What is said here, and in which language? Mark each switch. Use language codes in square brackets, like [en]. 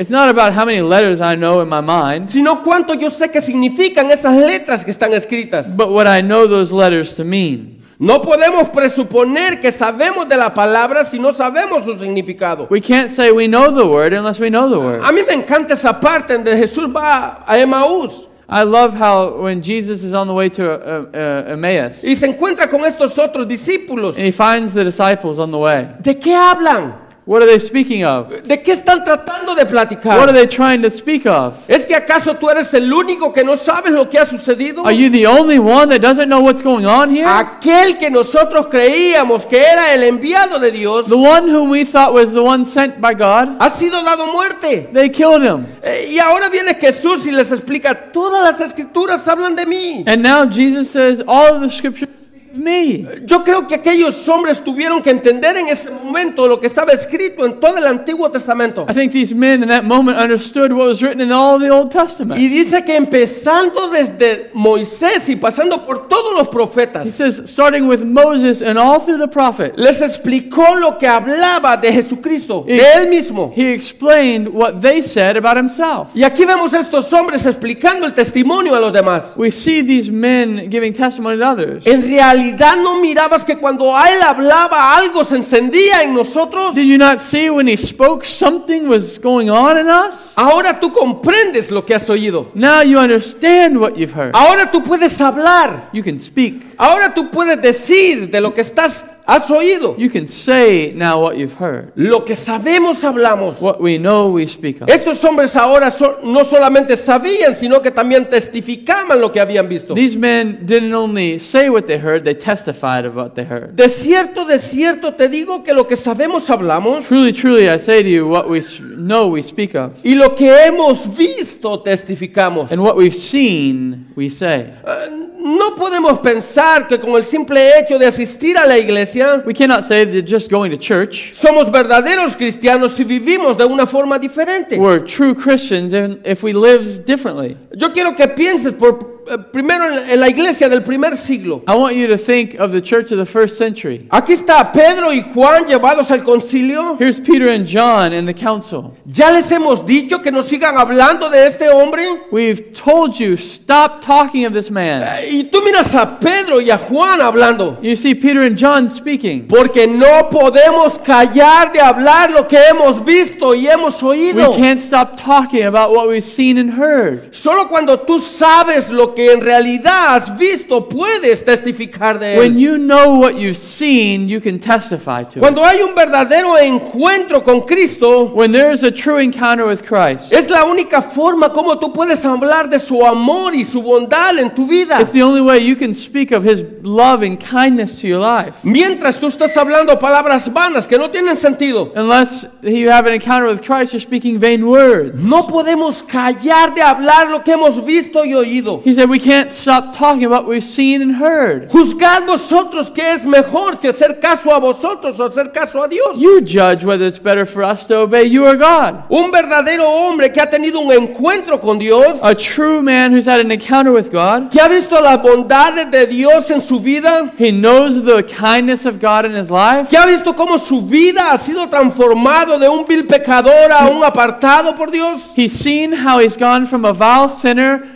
[en] It's not about how many letters I know in my mind, [es] sino cuánto yo sé que significan esas letras que están escritas. [en] But what I know those letters to mean. [es] No podemos presuponer que sabemos de la palabra si no sabemos su significado. [en] We can't say we know the word unless we know the word. [es] A mí me encanta esa parte donde Jesús va a Emmaús. [en] I love how when Jesus is on the way to Emmaus, [es] y se encuentra con estos otros discípulos, [en] and he finds the disciples on the way. [es] ¿De qué hablan? [en] What are they speaking of? [es] ¿De qué están tratando de platicar? [en] What are they trying to speak of? [es] ¿Es que acaso tú eres el único que no sabes lo que ha sucedido? [en] Are you the only one that doesn't know what's going on here? [es] Aquel que nosotros creíamos que era el enviado de Dios, [en] the one whom we thought was the one sent by God, [es] ha sido dado muerte. [en] They killed him. [es] Y ahora viene Jesús y les explica, todas las escrituras hablan de mí. [en] And now Jesus says, all of the scriptures. Me. [es] Yo creo que aquellos hombres tuvieron que entender en ese momento lo que estaba escrito en todo el Antiguo Testamento. [en] I think these men in that moment understood what was written in all the Old Testament. [es] Y dice que empezando desde Moisés y pasando por todos los profetas. [en] He says, starting with Moses and all through the prophets. [es] Les explicó lo que hablaba de Jesucristo, de él mismo. [en] He explained what they said about himself. [es] Y aquí vemos a estos hombres explicando el testimonio a los demás. [en] We see these men giving testimony to others. [es] En realidad, ¿no mirabas que cuando él hablaba algo se encendía en nosotros? [en] Did you not see when he spoke something was going on in us? [es] Ahora tú comprendes lo que has oído. [en] Now you understand what you've heard. [es] Ahora tú puedes hablar. [en] You can speak. [es] Ahora tú puedes decir de lo que estás has oído. [en] You can say now what you've heard. [es] Lo que sabemos hablamos. [en] What we know we speak of. [es] Estos hombres ahora no solamente sabían, sino que también testificaban lo que habían visto. [en] These men didn't only say what they heard, they testified of what they heard. [es] De cierto te digo que lo que sabemos hablamos. [en] Truly, truly, I say to you what we know we speak of. [es] Y lo que hemos visto testificamos. [en] And what we've seen we say. [es] No podemos pensar que con el simple hecho de asistir a la iglesia, [en] we cannot say that just going to church, [es] somos verdaderos cristianos si vivimos de una forma diferente. [en] We're true Christians if we live differently. [es] Yo quiero que pienses por primero en la iglesia del primer siglo. [en] I want you to think of the church of the first century. [es] Aquí está Pedro y Juan llevados al concilio. [en] Here's Peter and John in the council. [es] ¿Ya les hemos dicho que no sigan hablando de este hombre? [en] We've told you stop talking of this man. [es] Y tú miras a Pedro y a Juan hablando. [en] You see Peter and John speaking. [es] Porque no podemos callar de hablar lo que hemos visto y hemos oído. [en] We can't stop talking about what we've seen and heard. [es] Solo cuando tú sabes lo que en realidad has visto puedes testificar de él. [en] When you know what you've seen, you can testify to it. [es] Cuando hay un verdadero encuentro con Cristo, [en] when there is a true encounter with Christ, [es] es la única forma como tú puedes hablar de su amor y su bondad en tu vida. [en] It's the only way you can speak of his love and kindness to your life. [es] Mientras tú estás hablando palabras vanas que no tienen sentido, [en] unless you have an encounter with Christ, you're speaking vain words. [es] No podemos callar de hablar lo que hemos visto y oído. [en] He said, we can't stop talking about what we've seen and heard. [es] Juzgad vosotros qué es mejor, si hacer caso a vosotros o hacer caso a Dios. [en] You judge whether it's better for us to obey you or God. [es] Un verdadero hombre que ha tenido un encuentro con Dios. [en] A true man who's had an encounter with God. [es] Que ha visto las bondades de Dios en su vida. [en] He knows the kindness of God in his life. [es] Que ha visto cómo su vida ha sido transformado de un vil pecador a un apartado por Dios. [en] He's seen how he's gone from a vile sinner